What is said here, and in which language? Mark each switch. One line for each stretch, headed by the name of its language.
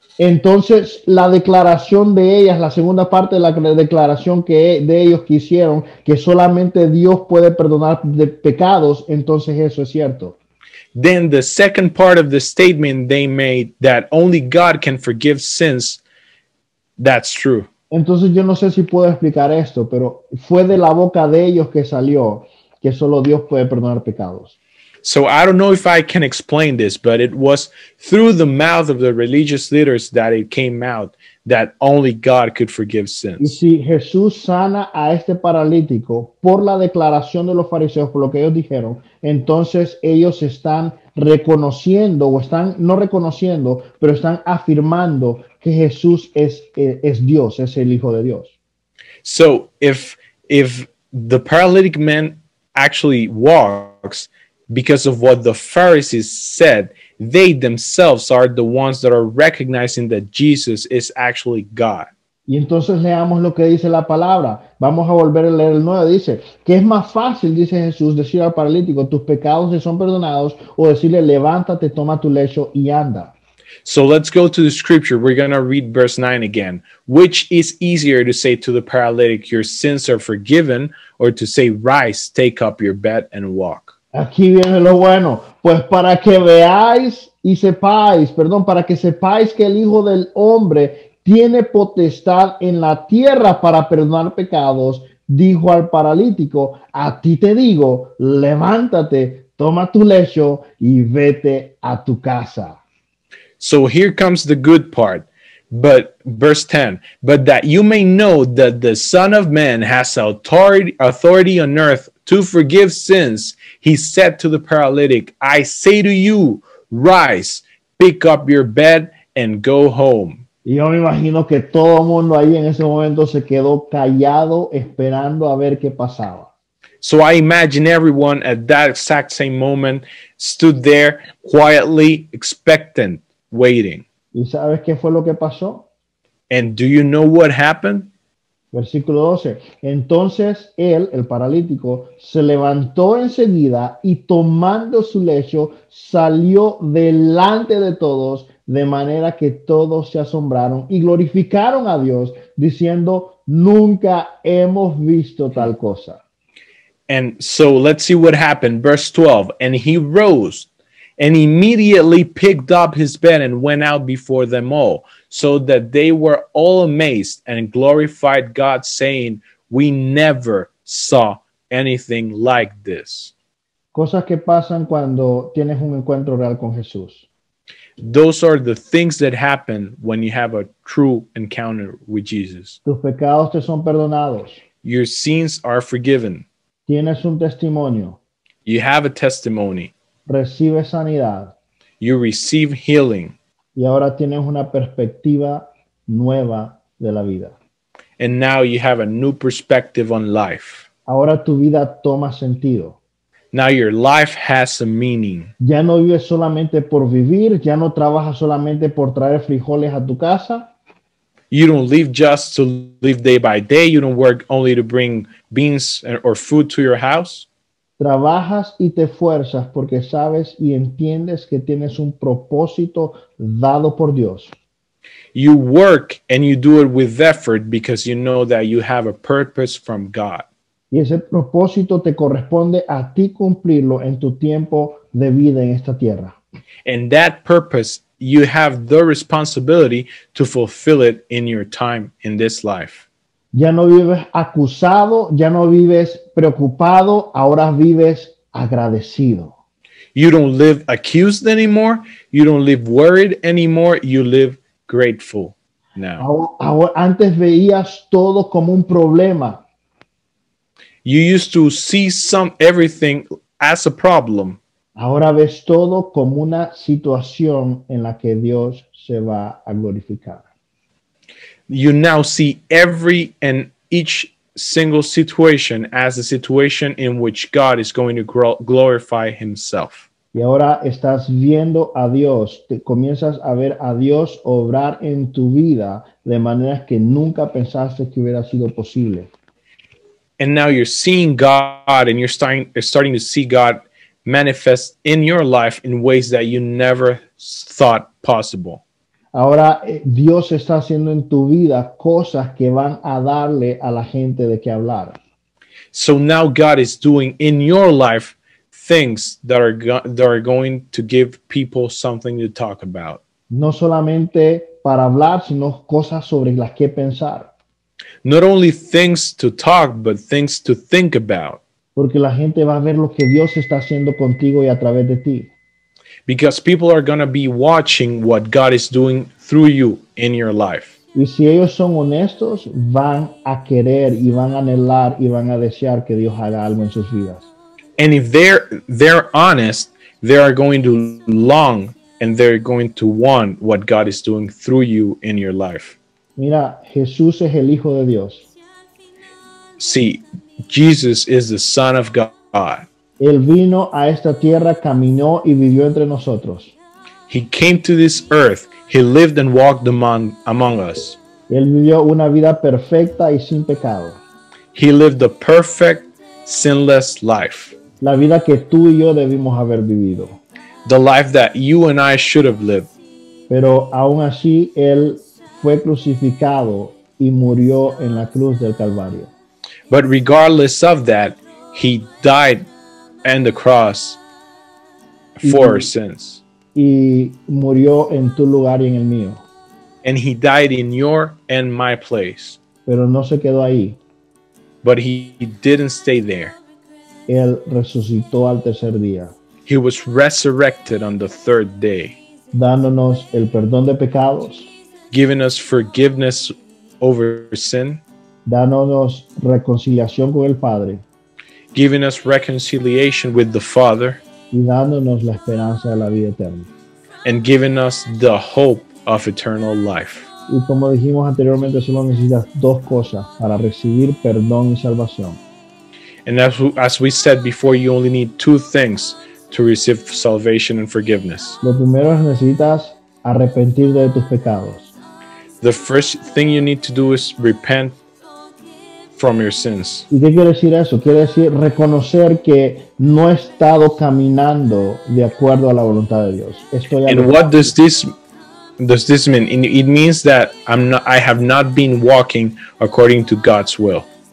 Spanish: entonces la declaración de ellas, la segunda parte de la declaración que de ellos que hicieron, que solamente Dios puede perdonar de pecados, entonces eso es cierto.
English: Then the second part of the statement they made that only God can forgive sins, that's true.
Spanish: Entonces yo no sé si puedo explicar esto, pero fue de la boca de ellos que salió que solo Dios puede perdonar pecados.
English: So I don't know if I can explain this, but it was through the mouth of the religious leaders that it came out that only God could forgive sins.
Spanish: Y si Jesús sana a este paralítico por la declaración de los fariseos, por lo que ellos dijeron, entonces ellos están reconociendo, o están no reconociendo, pero están afirmando que Jesús es Dios, es el Hijo de Dios.
English: So if the paralytic man actually walks, because of what the Pharisees said. They themselves are the ones that are recognizing that Jesus is actually God.
Spanish: Y entonces leamos lo que dice la palabra. Vamos a volver a leer el 9. Dice, que es más fácil, dice Jesús, decir al paralítico, tus pecados te son perdonados, o decirle, levántate, toma tu lecho y anda.
English: So let's go to the scripture. We're going to read verse 9 again. Which is easier to say to the paralytic, your sins are forgiven, or to say, rise, take up your bed and walk?
Spanish: Aquí viene lo bueno. Pues para que veáis y sepáis, perdón, para que sepáis que el Hijo del Hombre tiene potestad en la tierra para perdonar pecados, dijo al paralítico, a ti te digo, levántate, toma tu lecho y vete a tu casa.
English: So here comes the good part, but verse 10, but that you may know that the Son of Man has authority on earth to forgive sins, he said to the paralytic, I say to you, rise, pick up your bed and go home.
Spanish: Y yo me imagino que todo el mundo ahí en ese momento se quedó callado esperando a ver qué pasaba.
English: So I imagine everyone at that exact same moment stood there quietly expectant, waiting.
Spanish: ¿Y sabes qué fue lo que pasó?
English: And do you know what happened?
Spanish: Versículo 12. Entonces él, el paralítico, se levantó enseguida y tomando su lecho salió delante de todos, de manera que todos se asombraron y glorificaron a Dios, diciendo, nunca hemos visto tal cosa.
English: And so let's see what happened. Verse 12. And he rose and immediately picked up his bed and went out before them all, so that they were all amazed and glorified God, saying, we never saw anything like this.
Spanish: Cosas que pasan cuando tienes un encuentro real con Jesús.
English: Those are the things that happen when you have a true encounter with Jesus.
Spanish: Tus pecados te son perdonados.
English: Your sins are forgiven.
Spanish: Tienes un testimonio.
English: You have a testimony.
Spanish: Recibes sanidad.
English: You receive healing.
Spanish: Y ahora tienes una perspectiva nueva de la vida.
English: And now you have a new perspective on life.
Spanish: Ahora tu vida toma sentido.
English: Now your life has a meaning.
Spanish: Ya no vives solamente por vivir, ya no trabajas solamente por traer frijoles a tu casa.
English: You don't live just to live day by day. You don't work only to bring beans or food to your house.
Spanish: Trabajas y te esfuerzas porque sabes y entiendes que tienes un propósito dado por Dios.
English: You work and you do it with effort because you know that you have a purpose from God.
Spanish: Y ese propósito te corresponde a ti cumplirlo en tu tiempo de vida en esta tierra.
English: And that purpose, you have the responsibility to fulfill it in your time in this life.
Spanish: Ya no vives acusado, ya no vives preocupado, ahora vives agradecido.
English: You don't live accused anymore, you don't live worried anymore, you live grateful now.
Spanish: Antes veías todo como un problema.
English: You used to see everything as a problem.
Spanish: Ahora ves todo como una situación en la que Dios se va a glorificar.
English: You now see every and each single situation as a situation in which God is going to glorify himself.
Spanish: Y ahora estás viendo a Dios, te comienzas a ver a Dios obrar en tu vida de maneras que nunca pensaste que hubiera sido posible.
English: And now you're seeing God and you're starting to see God manifest in your life in ways that you never thought possible.
Spanish: Ahora Dios está haciendo en tu vida cosas que van a darle a la gente de qué hablar.
English: So now God is doing in your life things that are going to give people something to talk about.
Spanish: No solamente para hablar, sino cosas sobre las que pensar.
English: Not only things to talk, but things to think about.
Spanish: Porque la gente va a ver lo que Dios está haciendo contigo y a través de ti.
English: Because people are going to be watching what God is doing through you in your life.
Spanish: Y si ellos son honestos, van a querer y van a anhelar y van a desear que Dios haga algo en sus vidas.
English: And if they're honest, they are going to long and they're going to want what God is doing through you in your life.
Spanish: Mira, Jesús es el Hijo de Dios.
English: See, Jesus is the Son of God.
Spanish: Él vino a esta tierra, caminó y vivió entre nosotros.
English: He came to this earth. He lived and walked among us.
Spanish: Él vivió una vida perfecta y sin pecado.
English: He lived a perfect, sinless life.
Spanish: La vida que tú y yo debimos haber vivido.
English: The life that you and I should have lived.
Spanish: Pero aún así, Él fue crucificado y murió en la cruz del Calvario.
English: But regardless of that, He died on the cross for our sins.
Spanish: Y murió en tu lugar y en el mío.
English: And He died in your and my place.
Spanish: Pero no se quedó ahí.
English: But he didn't stay there.
Spanish: Él resucitó al tercer día.
English: He was resurrected on the third day.
Spanish: Dándonos el perdón de pecados.
English: Giving us forgiveness over sin.
Spanish: Dándonos reconciliación con el Padre.
English: Giving us reconciliation with the Father.
Spanish: Y dándonos la esperanza de la vida eterna.
English: And giving us the hope of eternal life.
Spanish: Y como dijimos anteriormente, solo necesitas dos cosas para recibir perdón y salvación.
English: And as we said before, you only need two things to receive salvation and forgiveness.
Spanish: Lo primero es necesitas arrepentirte de tus pecados.
English: The first thing you need to do is repent from your sins.
Spanish: ¿Y qué quiere decir eso? Quiere decir reconocer que no he estado caminando de acuerdo a la voluntad de Dios. Estoy
English: And what does this mean? It means that I have not been walking according to God's will.